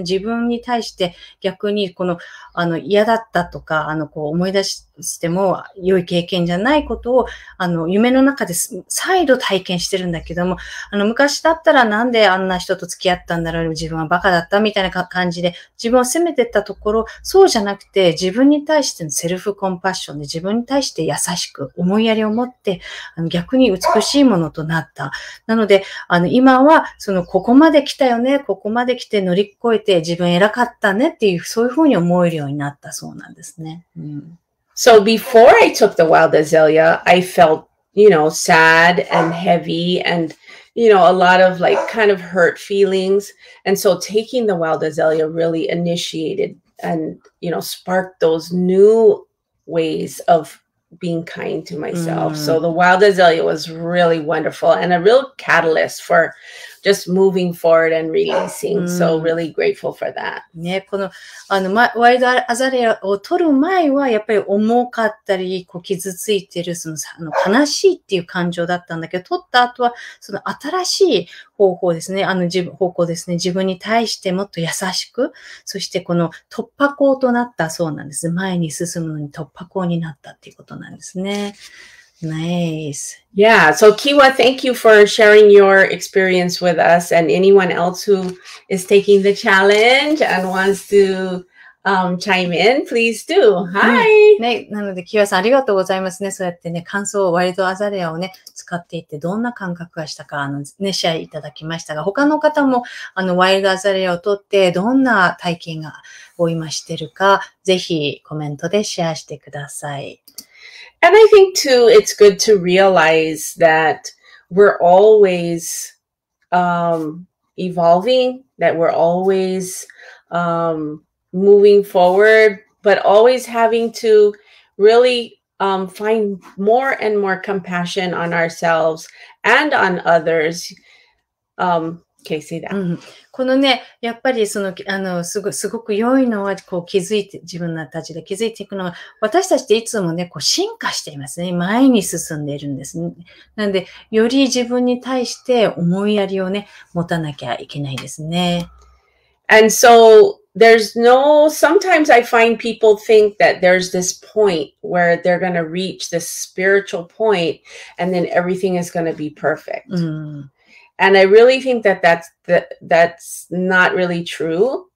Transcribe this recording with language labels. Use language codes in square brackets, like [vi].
[ja] 自分に対して逆にこの、嫌だったとか、こう思い出しても良い経験じゃないことを、夢の中で再度体験してるんだけども、昔だったらなんであんな人と付き合ったんだろう、自分はバカだったみたいな感じで、自分を責めてったところ、そうじゃなくて、自分に対してのセルフコンパッションで、自分に対して優しく、思いやりを持って、逆に美しいものとなった。なので、今は、ここまで来たよね、ここまで来て乗り越えて、自分偉かったねっていう、そういうふうに思えるようになったそうなんですね。うん、 [en] So before I took the wild azalea, I felt, you know, sad and heavy and, you know, a lot of like kind of hurt feelings. And so taking the wild azalea really initiated and, you know, sparked those new ways of being kind to myself. Mm. So the wild azalea was really wonderful and a real catalyst for just moving forward and releasing. So really grateful for that. [ja] ね、この、ワイルドアザレアを取る前は、やっぱり重かったり、こう傷ついてる、悲しいっていう感情だったんだけど、取った後は、その新しい方法ですね、方向ですね、自分に対してもっと優しく、そしてこの突破口となったそうなんです。前に進むのに突破口になったっていうことなんですね。 [en] Nice. Yeah. So, Kiwa, thank you for sharing your experience with us and anyone else who is taking the challenge and wants to chime in, please do. Hi. [ja] ね、なので、キワさん、ありがとうございますね。そうやってね、感想をワイルドアザレアをね、使っていて、どんな感覚がしたか、ね、シェアいただきましたが、他の方も、ワイルドアザレアを取って、どんな体験が、を今してるか、ぜひ、コメントでシェアしてください。 [en] And I think too, it's good to realize that we're always evolving, that we're always moving forward, but always having to really find more and more compassion on ourselves and on others. Okay, say that. Mm-hmm. [ja] このね、やっぱりその、すごく良いのは、こう気づいて、自分たちで気づいていくのは、私たちっていつもね、こう進化していますね。前に進んでいるんですね。なんで、より自分に対して思いやりをね、持たなきゃいけないですね。 [en] And so, there's no, sometimes I find people think that there's this point where they're gonna reach this spiritual point, and then everything is gonna be perfect.、うん And I really think that that's not really true.